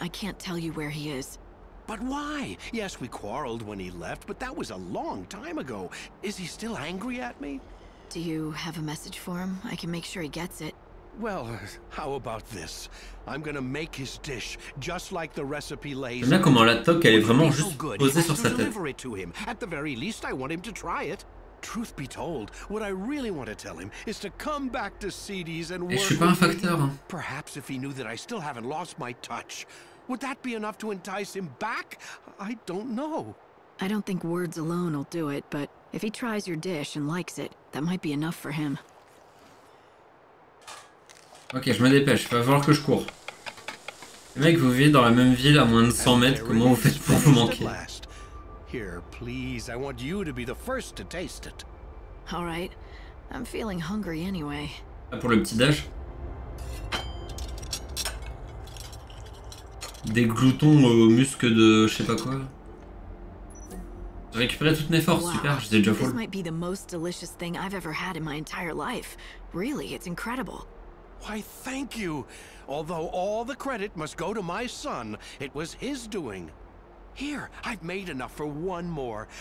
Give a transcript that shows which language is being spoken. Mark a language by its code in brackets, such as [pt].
[en] I can't tell you where he is. But why? Yes, we quarreled when he left, but that was a long time ago. Is he still angry at me? Do you have a message for him? I can make sure he gets it. Well, how about this? I'm gonna make his dish, just like the recipe lays. [fr] J'aime bien comment la toque, elle est vraiment juste posée sur sa tête. [en] Deliver it to him. At the very least, I want him to try it. Truth be told, what I really want to tell him is to come back to CD's and work. [fr] Et je suis pas un facteur. [en] Perhaps if he knew that I still haven't lost my touch, would that be enough to entice him back? I don't know. I don't think words alone will do it, but if he tries your dish and likes it, that might be enough for him. [fr] Ok, je me dépêche. Il va falloir que je cours. Les mecs, vous vivez dans la même ville à moins de 100 mètres. Comment vous faites pour vous manquer? [en] Here, please. I want you to be the first to taste it. All right. I'm feeling hungry anyway. [fr] Ah, pour le petit déj. Des gloutons au musc de je sais pas quoi. J'ai récupéré toutes mes forces, wow. Super, j'étais déjà full. [en] This might be the most delicious thing I've ever had in my entire life. Really, it's incredible. Why, thank you. Although all the credit must go to my son, it was his doing. Here, I've made enough for one more.